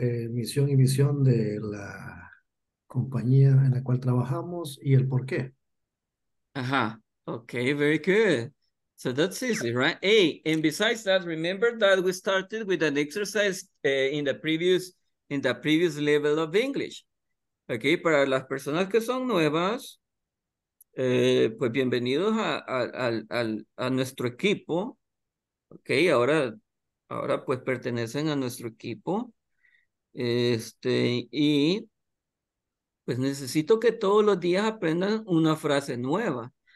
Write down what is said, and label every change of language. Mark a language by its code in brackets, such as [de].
[es] Misión y visión de la compañía en la cual trabajamos y el por qué. [en] Ajá. Okay, very good. So that's easy, right? Hey, and besides that, remember that we started with an exercise in the previous level of English. [es] Okay, para las personas que son nuevas, pues bienvenidos a nuestro equipo. Okay, ahora pues pertenecen a nuestro equipo. Y pues necesito que todos los días aprendan una frase nueva.